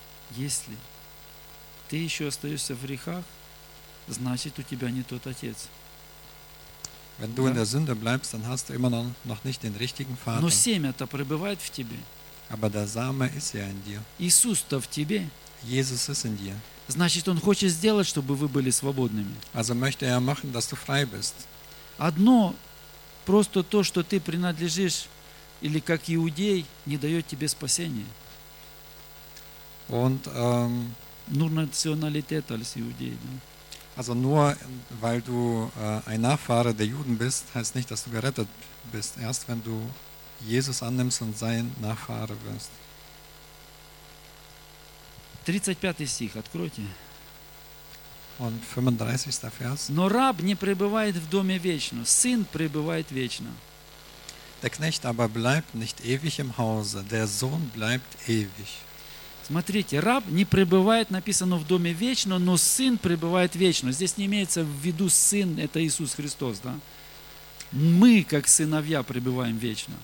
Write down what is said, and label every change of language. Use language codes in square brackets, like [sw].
[ru] Если ты еще остаешься в грехах, значит, у тебя не тот отец. [de] Wenn du in der Sünde bleibst, dann hast du immer noch nicht den richtigen Vater. [ru] Но семя-то пребывает в тебе. [de] Aber der Same ist ja in dir. [ru] Иисус-то в тебе. [de] Jesus ist in dir. [ru] Значит, Он хочет сделать, чтобы вы были свободными. [de] Also möchte er machen, dass du frei bist. [ru] Одно, просто то, что ты принадлежишь или как иудей, не дает тебе спасения. [de] Und, nur Nationalität als Judei. Ne? Also nur, weil du ein Nachfahre der Juden bist, heißt nicht, dass du gerettet bist. Erst wenn du Jesus annimmst und sein Nachfahre wirst. [ru] 35. стих, откройте. [de] Und 35. Vers. [ru] Но раб не пребывает в доме вечно, сын пребывает вечно. [de] Der Knecht aber bleibt nicht ewig im Hause, der Sohn bleibt ewig. [ru] Смотрите, раб не пребывает, написано, в доме вечно, но сын пребывает вечно. Здесь не имеется в виду сын, это Иисус Христос, да? Мы, как сыновья, пребываем вечно.